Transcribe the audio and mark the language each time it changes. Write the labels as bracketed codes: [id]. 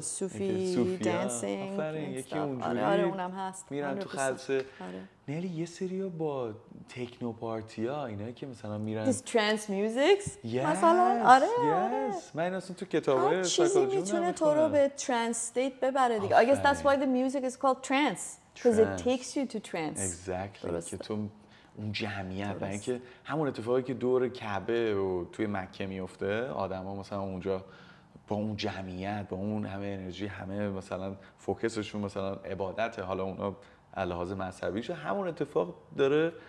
[en] صوفی دنسینگ. [fa] یکی اونجوری آره اونم هست میرن تو خلصه. نلی یه سری ها با تکنو پارتی ها اینا که مثلا میرن [en] دیست trance musics [fa] مثلا. آره من اصلا تو کتابه سایکولوژی هم میخونم چیزی میتونه تو رو به ترانس استیت ببره دیگه. [en] I guess that's why the music is called trance. Because it takes you to trance. Exactly. [fa] که تو اون جمعیت و اینکه همون اتفاقی که دور کعبه و توی مکه میفته، آدم ها مثلا اونجا با اون جمعیت با اون همه انرژی همه مثلا فوکسشون مثلا عبادته، حالا اونا لحاظ مذهبیشه، همون اتفاق داره.